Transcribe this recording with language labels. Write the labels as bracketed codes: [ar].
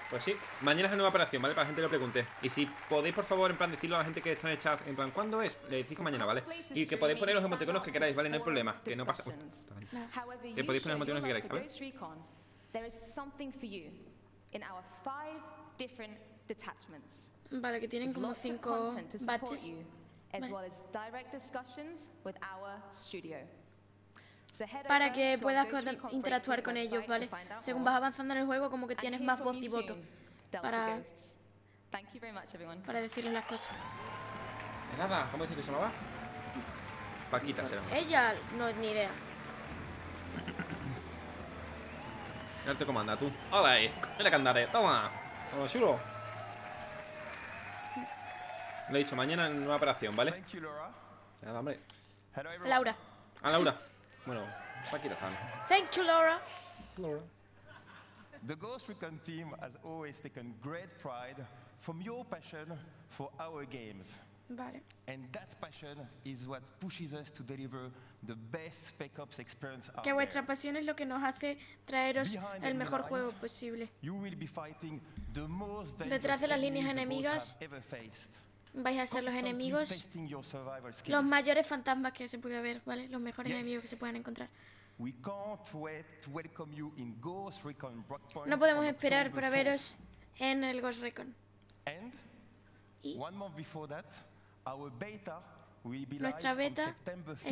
[es] Pues sí, mañana es la nueva operación, ¿vale? Para la gente que lo pregunte. Y si podéis, por favor, en plan, decirlo a la gente que está en el chat, en plan, ¿cuándo es? Le decís que mañana, ¿vale? Y que podéis poner los emoticonos que queráis, ¿vale? No hay problema, que no pasa... Que podéis poner los emoticonos que queráis, ¿vale? Hay algo para ti en nuestros 5 diferentes detachments. Vale, que tienen como cinco batches. [en] As well as direct discussions with our studio. [es] Para que puedas interactuar con ellos, ¿vale? Según vas avanzando en el juego, como que tienes más voz y voto. Para decirles las cosas. De nada, ¿cómo dice que se llamaba? Paquita será. Ella no es ni idea. Él te comanda, tú. ¡Hola! ¡Mira que andaré! ¡Toma! ¡Toma, chulo! Le he dicho, mañana en nueva operación, ¿vale? De nada, hombre. Laura. Ah, Laura. Bueno, Paquita está. [en] Thank you, Laura. [es] Laura. [en] The Ghost Recon team has always taken great pride from your passion for our games. [es] Vale. [en] And that passion is what pushes us to deliver the best Spec Ops experience out there. [es] Que vuestra pasión es lo que nos hace traeros el mejor juego posible. [en] You will be fighting the most dangerous. [es] Detrás de las líneas enemigas vais a ser los enemigos, los mayores fantasmas que se puede ver, ¿vale? Los mejores enemigos que se puedan encontrar. [en] We can't wait to welcome you in Ghost Recon Breakpoint. [es] No podemos esperar para veros en el Ghost Recon. [en] And one month before that, our beta will be live on September 5th.